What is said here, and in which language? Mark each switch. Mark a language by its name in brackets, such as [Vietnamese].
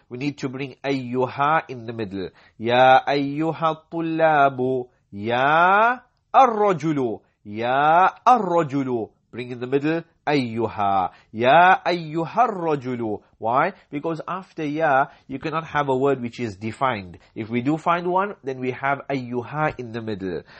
[English] We need to bring أيها in the middle. [Arabic] يا أيها الطلاب يا الرجل يا الرجل [English] Bring in the middle, [Arabic] أيها. يا أيها الرجل. [English] Why? Because after ya, you cannot have a word which is defined. If we do find one, then we have ayyuha in the middle.